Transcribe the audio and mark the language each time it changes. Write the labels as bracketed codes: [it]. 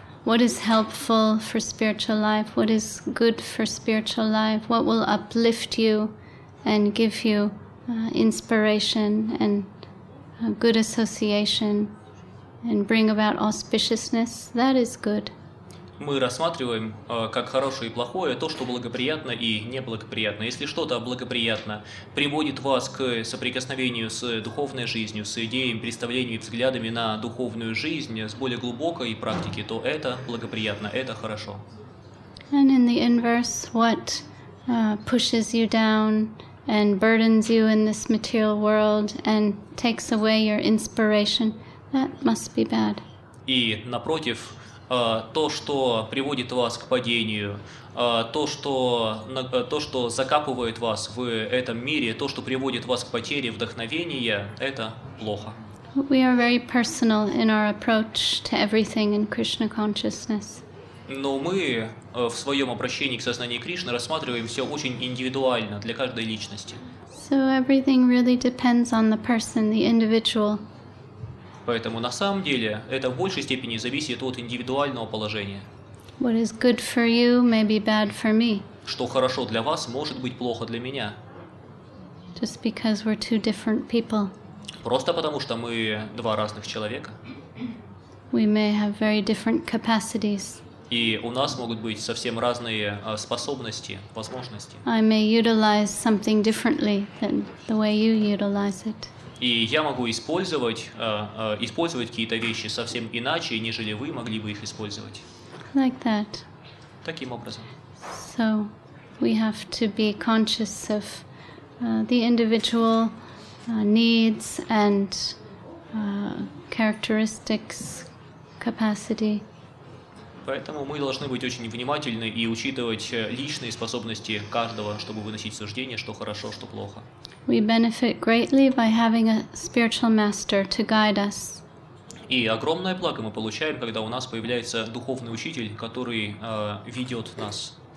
[en] What is helpful for spiritual life? What is good for spiritual life? What will uplift you and give you inspiration and good association and bring about auspiciousness? That is good. [ru] Мы рассматриваем как хорошее и плохое то, что благоприятно и неблагоприятно. Если что-то благоприятно приводит вас к соприкосновению с духовной жизнью, с идеями, представлениями, взглядами на духовную жизнь, с более глубокой практикой, то это благоприятно, это хорошо. [en] And in the inverse, what pushes you down and burdens you in this material world and takes away your inspiration, that must be bad. [ru] И напротив, то, что приводит вас к падению, то, что закапывает вас в этом мире, то, что приводит вас к потере вдохновения, это плохо. [en] We are very personal in our approach to everything in Krishna consciousness. [ru] Но мы в своем обращении к сознанию Кришны рассматриваем все очень индивидуально для каждой личности. [en] So everything really depends on the person, the individual. [ru] Поэтому на самом деле это в большей степени зависит от индивидуального положения. [en] What is good for you may be bad for me. [ru] Что хорошо для вас, может быть плохо для меня. [en] Just because we're two different people. [ru] Просто потому что мы два разных человека. [en] We may have very different capacities. [ru] И у нас могут быть совсем разные способности, возможности. [en] I may utilize something differently than the way you utilize it. [ru] И я могу использовать какие-то вещи совсем иначе, нежели вы могли бы их использовать. [en] Like that. [ru] Таким образом. [en] So we have to be conscious of the individual needs and characteristics, capacity. [ru] Поэтому мы должны быть очень внимательны и учитывать личные способности каждого, чтобы выносить суждение, что хорошо, что плохо. [en] We benefit greatly by having a spiritual master to guide us. [ru] И огромное благо мы получаем, когда у нас появляется духовный учитель, который ведет нас.